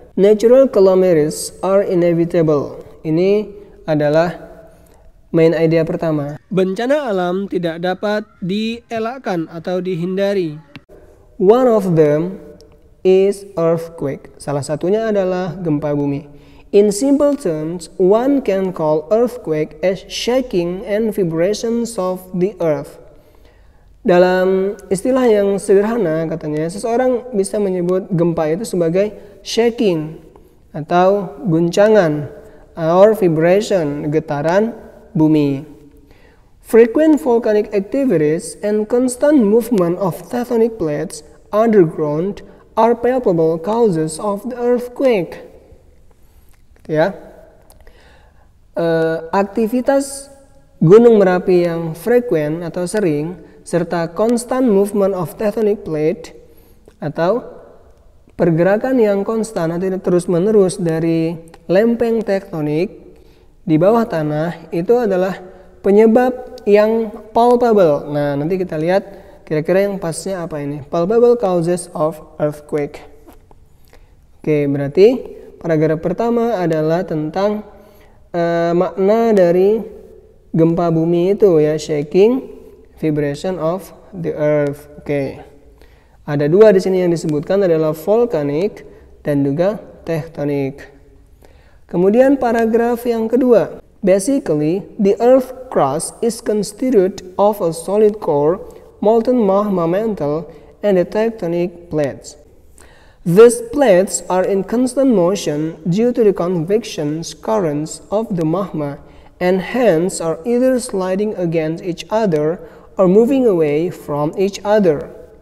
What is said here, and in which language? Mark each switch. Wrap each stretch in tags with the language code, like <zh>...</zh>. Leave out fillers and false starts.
<en>Natural calamities are inevitable.</en> <id>Ini adalah main idea pertama. Bencana alam tidak dapat dielakkan atau dihindari.</id> <en>One of them is earthquake.</en> <id>Salah satunya adalah gempa bumi.</id> <en>In simple terms, one can call earthquake as shaking and vibrations of the earth.</en> <id>Dalam istilah yang sederhana katanya, seseorang bisa menyebut gempa itu sebagai shaking atau guncangan,</id> <en>or vibration,</en> <id>getaran bumi.</id> <en>Frequent volcanic activities and constant movement of tectonic plates underground are palpable causes of the earthquake.</en> <id>Ya, aktivitas gunung Merapi yang frequent atau sering serta</id> <en>constant movement of tectonic plate</en> <id>atau pergerakan yang konstan atau terus-menerus dari lempeng tektonik di bawah tanah itu adalah penyebab yang palpable. Nah, nanti kita lihat kira-kira yang pasnya apa ini.</id> <en>Palpable causes of earthquake.</en> <id>Oke, berarti paragraf pertama adalah tentang makna dari gempa bumi itu ya,</id> <en>shaking vibration of the earth.</en> <id>Oke. Ada dua di sini yang disebutkan adalah volcanic dan juga tectonic. Kemudian paragraf yang kedua.</id> <en>Basically, the earth crust is constituted of a solid core, molten magma mantle, and the tectonic plates. These plates are in constant motion due to the convection currents of the magma and hence are either sliding against each other or moving away from each other.</en>